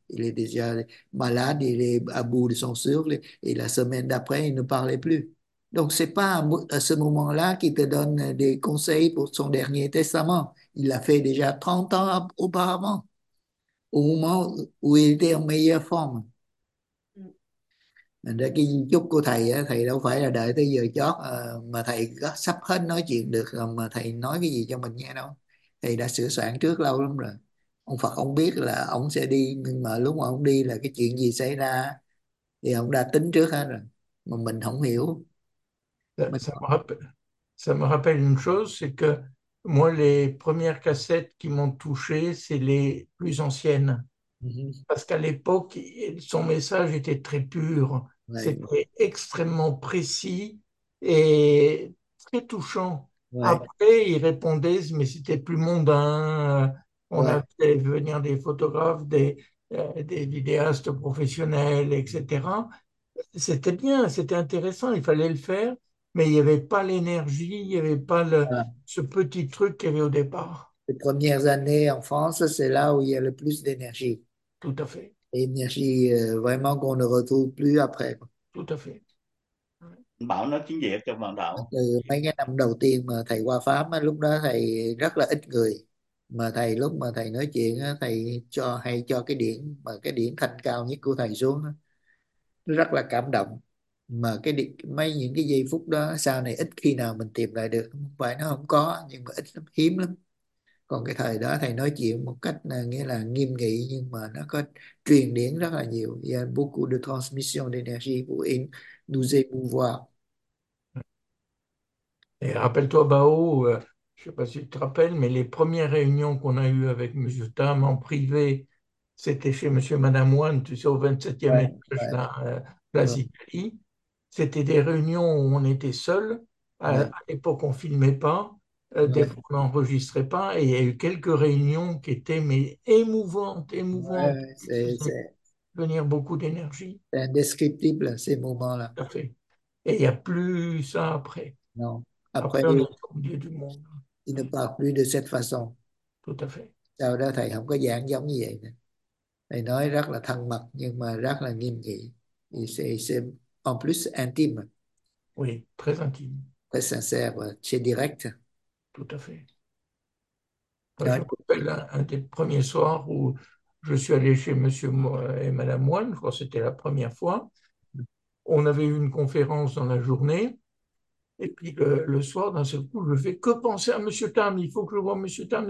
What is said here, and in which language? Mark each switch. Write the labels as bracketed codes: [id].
[fr] Il est déjà malade, il est à bout de son souffle, et la semaine d'après, il ne parlait plus. Donc, ce n'est pas à ce moment-là qu'il te donne des conseils pour son dernier testament. Il l'a fait déjà 30 ans auparavant, au moment où il était en meilleure forme. [vi] Đó, cái chúc của thầy á, thầy đâu phải là đợi tới giờ chót mà thầy có sắp hết nói chuyện được mà thầy nói cái gì cho mình nghe đâu. Thầy đã sửa soạn trước lâu lắm rồi. Ông Phật ông biết là ông sẽ đi, nhưng mà lúc mà ông đi là cái chuyện gì xảy ra thì ông đã tính trước hết rồi mà mình không hiểu. [fr] Ça me rappelle une chose, c'est que moi, les premières cassettes qui m'ont touché, c'est les plus anciennes. Parce qu'à l'époque, son message était très pur, c'était extrêmement précis et très touchant. Après, il répondait, mais c'était plus mondain. On a fait venir des photographes, des vidéastes professionnels, etc. C'était bien, c'était intéressant, il fallait le faire. Mais il n'y avait pas l'énergie, il n'y avait pas ce petit truc qu'il y avait au départ. Les premières années en France, c'est là où il y a le plus d'énergie. Tout à fait. Énergie vraiment qu'on ne retrouve plus après. Tout à fait. [vi] Bảo nói tiếng Việt cho bạn đạo. Từ mấy cái năm đầu tiên mà thầy qua Pháp, lúc đó thầy rất là ít người. Mà thầy lúc mà thầy nói chuyện, thầy cho hay cho cái điển, mà cái điển thanh cao nhất của thầy xuống, rất là cảm động. Mà mấy những cái giây phút đó sau này ít khi nào mình tìm lại được. Không phải nó không có, nhưng mà ít lắm, hiếm lắm. Còn cái thời đó thầy nói chuyện một cách nghĩa là nghiêm nghị, nhưng mà nó có truyền điển rất là nhiều. [fr] Il y a beaucoup de transmission d'énergie pour nous émouvoir. Et rappelle-toi, Bao, je ne sais pas si tu te rappelles, mais les premières réunions qu'on a eues avec M. Tam en privé, c'était chez M. et Mme Wan, tu sais, au 27e étage, là, place Italie. C'était des réunions où on était seuls. À l'époque, on ne filmait pas. Des fois, on n'enregistrait pas. Et il y a eu quelques réunions qui étaient mais émouvantes, émouvantes, qui faisaient venir beaucoup d'énergie. C'est indescriptible ces moments-là. Tout à fait. Et il n'y a plus ça après. Non, Après, après, on est au milieu du monde. il ne parle plus de cette façon. Tout à fait. [vi] Sau đó thầy không có giảng giống như vậy nữa. Thầy nói rất là thân mật nhưng mà rất là nghiêm nghị. [fr] C'est en plus intime, Oui, très intime. très sincère, c'est direct. Tout à fait. Non, Je me rappelle un des premiers soirs où je suis allé chez Monsieur et Madame Moine, je crois que c'était la première fois. On avait eu une conférence dans la journée. Et puis le soir, d'un seul coup, je ne fais que penser à M. Tam. Il faut que je voie M. Tam.